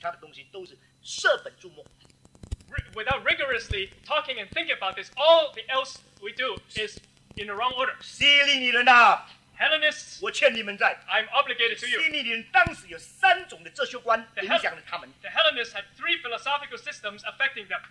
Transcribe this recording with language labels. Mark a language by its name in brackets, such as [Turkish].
[Chinese] 这些没有很严肃的去探讨，实在的去做，我告诉我们，讨论其他的东西都是舍本逐末。 [English] Without rigorously talking and thinking about this, all the else we do is in the wrong order. [Chinese] 犀利你人啊！ [English] Hellenists, [Chinese] 我欠你们债, [English] I'm obligated to you. [Chinese] 希腊人当时有三种的哲学观影响了他们。 [English] The Hellenists had three philosophical systems affecting them.